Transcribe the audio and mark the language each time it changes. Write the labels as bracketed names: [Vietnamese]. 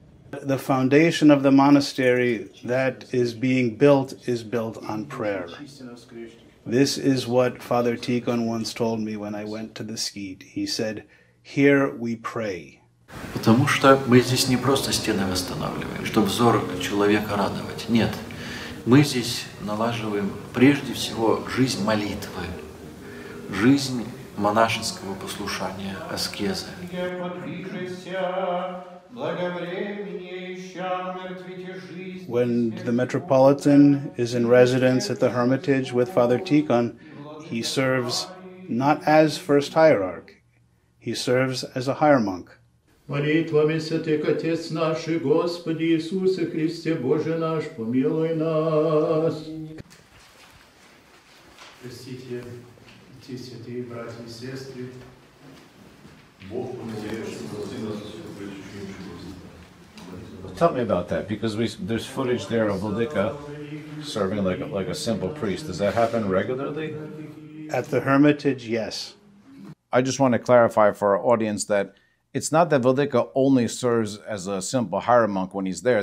[English] The foundation of the monastery that is being built is built on prayer. This is what Father Tikhon once told me when I went to the SKETE. He said, "Here we pray." [Russian] Потому что мы здесь не просто стены восстанавливаем, чтобы взор человека радовать. Нет, мы здесь налаживаем прежде всего жизнь молитвы, жизнь монашеского послушания, аскезы. [English] When the Metropolitan is in residence at the Hermitage with Father Tikhon, he serves not as First Hierarch, he serves as a higher monk. [Russian] Молитвами святых Отец наш и Господи Иисусе Христе Боже наш, помилуй нас. Простите, святые братья и сестры, Бог помилуй нас. [English] Tell me about that, because there's footage there of Vladyka serving like a simple priest. Does that happen regularly? At the Hermitage, yes. I just want to clarify for our audience that it's not that Vladyka only serves as a simple higher monk when he's there.